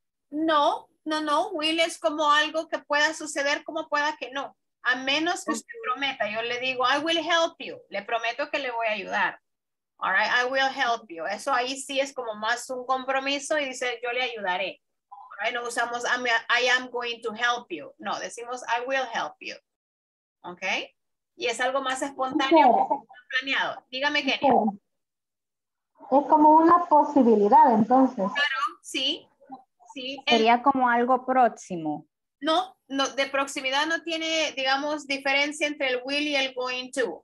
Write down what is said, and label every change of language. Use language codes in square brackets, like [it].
[es] No, no, no. Will es como algo que pueda suceder como pueda que no. A menos que usted prometa. Yo le digo, [en] I will help you. [es] Le prometo que le voy a ayudar. [en] All right, I will help you. [es] Eso ahí sí es como más un compromiso y dice, yo le ayudaré. No usamos, [en] I am going to help you. [es] No, decimos, [en] I will help you. [es] ¿Ok? Y es algo más espontáneo, sí, planeado. Dígame, Kenia. Sí. Es como una posibilidad, entonces. Claro, sí. Sí. Sería como algo próximo. No, no, de proximidad no tiene, digamos, diferencia entre el will y el going to.